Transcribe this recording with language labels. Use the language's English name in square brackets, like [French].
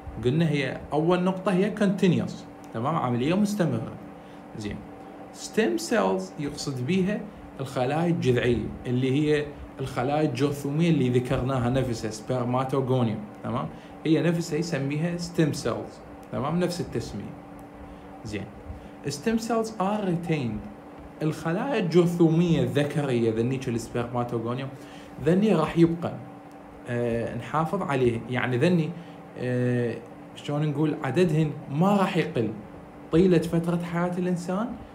[Arabic] قلنا هي أول نقطة هي continuous، تمام، عملية مستمرة. زين، stem cells يقصد بيها الخلايا الجذعية اللي هي الخلايا الجرثومية اللي ذكرناها نفسها spermatogonium، تمام، هي نفسها يسميها stem cells، تمام، نفس التسمية. [English] زين، stem cells are retained. [Arabic] الخلايا الجرثومية الذكرية ذنيك spermatogonium ذني راح يبقى نحافظ عليه، يعني ذني شلون نقول عددهن ما راح يقل طيلة فترة حياة الإنسان.